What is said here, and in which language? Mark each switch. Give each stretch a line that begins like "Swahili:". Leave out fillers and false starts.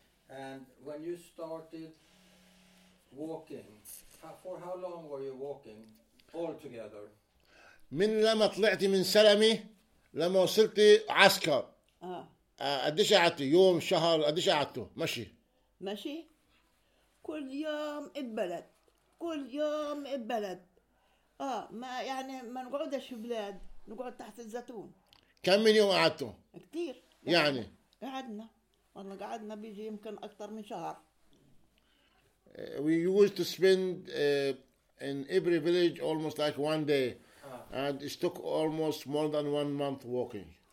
English: And when you started walking, for how long were you walking all together?
Arabic: من لما طلعتي من سلمي لما وصلتي عسكر. قديش قعدتي يوم شهر قديش قعدتوا مشي. مشي كل يوم البلد. كل يوم البلد ما يعني ما نقعدش في بلاد نقعد تحت الزيتون كم من يوم قعدتوا كتير يعني قعدنا والله قعدنا بيجي يمكن اكثر من شهر
English: we used to spend in every village almost like one day and it took almost more than 1 month walking